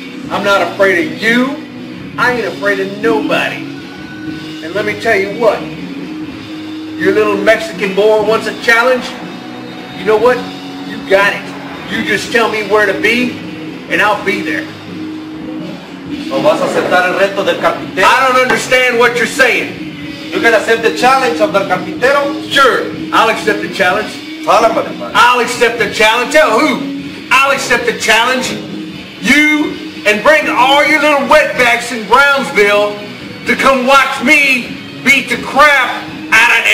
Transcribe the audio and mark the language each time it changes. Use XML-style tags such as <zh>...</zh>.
<en>I'm not afraid of you. I ain't afraid of nobody. And let me tell you what. Your little Mexican boy wants a challenge. You know what? You got it. You just tell me where to be, and I'll be there.</en> <es>¿No vas a aceptar el reto del Capitero?</es> <en>I don't understand what you're saying. You're going to accept the challenge of El Capitero? Sure, I'll accept the challenge. Tell him about it, I'll accept the challenge. Tell who? I'll accept the challenge. You, and bring all your little wetbacks in Brownsville to come watch me beat the crap out of</en>